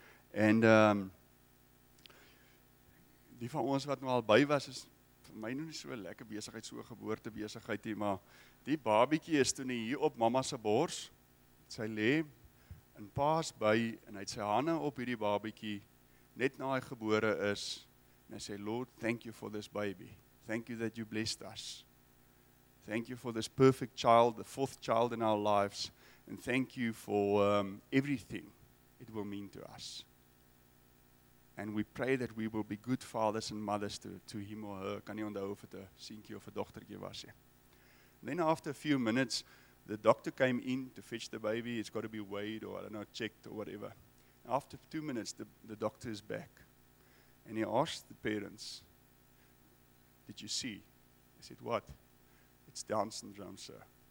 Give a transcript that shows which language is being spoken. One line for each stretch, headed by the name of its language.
Afrikaans: En die van ons wat nou al by was, is vir my nie so lekker besigheid, so geboorte besigheid, maar die babiekie is toen hier op mama se bors, sy lê in pa's by, en hy het sy hande op hierdie babiekie, net na hy gebore is, en hy sê,
English: Lord, thank you for this baby. Thank you that you blessed us. Thank you for this perfect child, the fourth child in our lives, and thank you for everything it will mean to us. And we pray that we will be good fathers and mothers to him or her.
Afrikaans: Kan nie onthou of het 'n seentjie of 'n dogtertjie was nie.
English: Then after a few minutes, the doctor came in to fetch the baby. It's got to be weighed or, I don't know, checked or whatever. After 2 minutes, the doctor is back. And he asked the parents, did you see? They said, what? It's Down syndrome, sir.